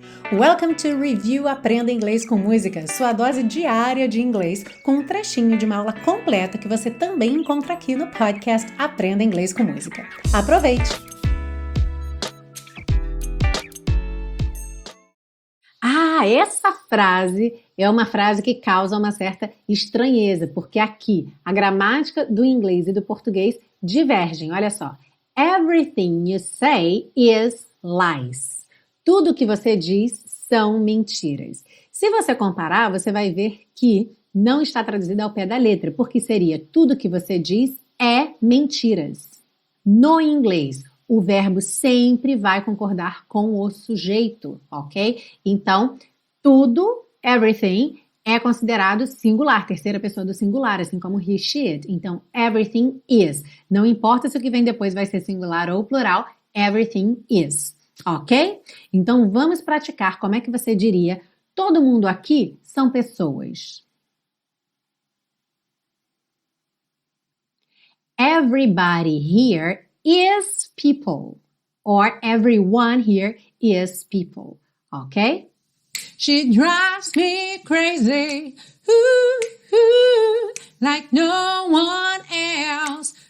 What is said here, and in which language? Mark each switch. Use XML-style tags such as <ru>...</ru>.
<en>Welcome to</en> <pt>Review Aprenda Inglês com Música, sua dose diária de inglês, com um trechinho de uma aula completa que você também encontra aqui no podcast Aprenda Inglês com Música. Aproveite! Ah, essa frase é uma frase que causa uma certa estranheza, porque aqui a gramática do inglês e do português divergem. Olha só.</pt> <en>Everything you say is lies.</en> <pt>Tudo que você diz são mentiras. Se você comparar, você vai ver que não está traduzido ao pé da letra, porque seria tudo que você diz é mentiras. No inglês, o verbo sempre vai concordar com o sujeito, ok? Então, tudo, everything, é considerado singular, terceira pessoa do singular, assim como he, she, it. Então,</pt> <en>everything is.</en> <pt>Não importa se o que vem depois vai ser singular ou plural, everything is. Ok? Então, vamos praticar como é que você diria todo mundo aqui são pessoas.</pt> <en>Everybody here is people. Or everyone here is people. Ok? She drives me crazy. Ooh, ooh, like no one else.</en>